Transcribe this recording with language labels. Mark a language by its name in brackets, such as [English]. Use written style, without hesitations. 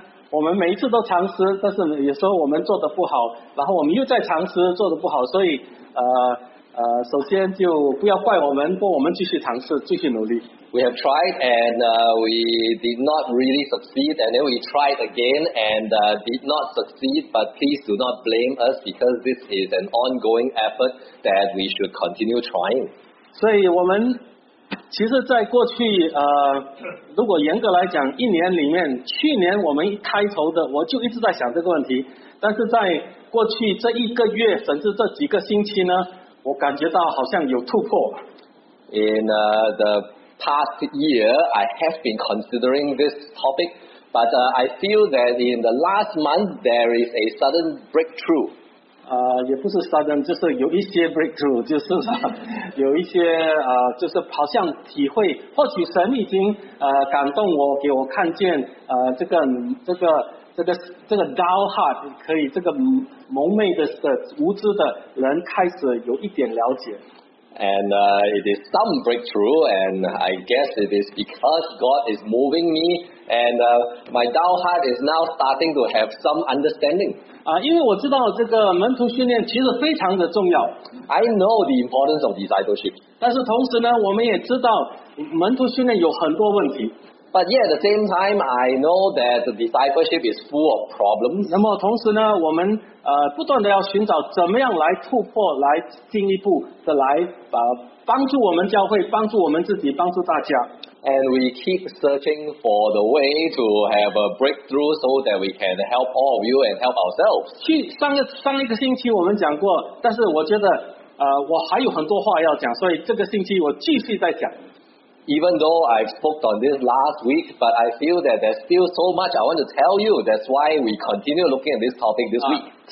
[Chinese] 我们每一次都尝试, 但是有时候我们做得不好, 然后我们又再尝试, 做得不好, 所以, 首先就不要怪我们, 不过我们继续尝试, 继续努力。 [English] We have tried and we did not really succeed, and then we tried again and did not succeed, but please do not blame us because this is an ongoing effort that we should continue trying. [Chinese] 所以我们 其实在过去, 如果严格来讲, 一年里面, 去年我们一开头的, 我就一直在想这个问题, 但是在过去这一个月, 甚至这几个星期呢, 我感觉到好像有突破。 [English] In the past year, I have been considering this topic, but I feel that in the last month, there is a sudden breakthrough. [Chinese] 也不是 sudden, 就是有一些 breakthrough, 就是有一些, 就是好像体会, 或许神已经, 感动我, 给我看见, 这个 [English] dull heart, [Chinese] 可以, 这个蒙昧的, 无知的人, 开始有一点了解。 [English] And it is some breakthrough, and I guess it is because God is moving me, and my dull heart is now starting to have some understanding. [Chinese] 因为我知道这个门徒训练其实非常的重要。 [English] I know the importance of discipleship. [Chinese] 但是同时呢，我们也知道门徒训练有很多问题。 [English] But yet at the same time, I know that the discipleship is full of problems. [Chinese] 那么同时呢，我们 不断地要寻找怎么样来突破，来进一步的来帮助我们教会，帮助我们自己，帮助大家。 [English] And we keep searching for the way to have a breakthrough so that we can help all of you and help ourselves. [Chinese] 上一个星期我们讲过，但是我觉得 我还有很多话要讲，所以这个星期我继续再讲。 [English] Even though I've spoke on this last week, but I feel that there's still so much I want to tell you. That's why we continue looking at this topic this week.